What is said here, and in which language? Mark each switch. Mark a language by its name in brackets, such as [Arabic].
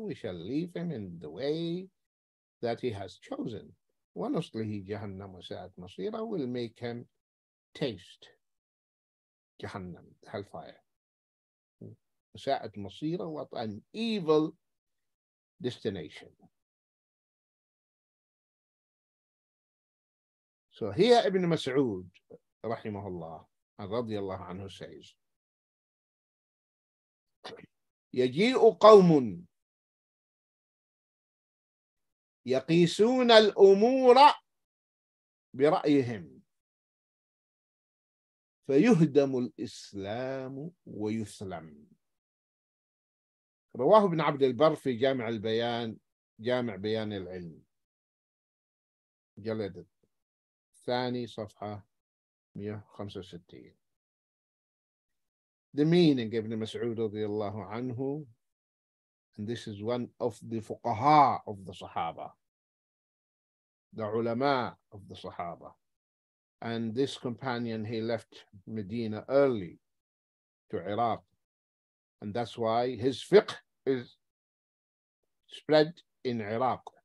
[English] We shall leave him in the way that he has chosen. [Arabic] وَنُصْلِهِ جَهَنَّمْ وَسَاءَتْ مَصِيرًا. [English] We'll make him taste Jahannam, hellfire. [Arabic] ساءت مصيره, [English] what an evil destination. So here [Arabic] Ibn Mas'ud رحمه الله رضي الله عنه [English] says, [Arabic] يجيء قوم يقيسون الأمور برأيهم فيهدم الإسلام ويسلم. رواه ابن عبد البر في جامع البيان, جامع بيان العلم جلد الثاني صفحة 165. [English] The meaning of Ibn Mas'ud [Arabic] رضي الله عنه, [English] and this is one of the fuqaha of the Sahaba, the ulama of the Sahaba, and this companion, he left Medina early to Iraq, and that's why his fiqh is spread in Iraq.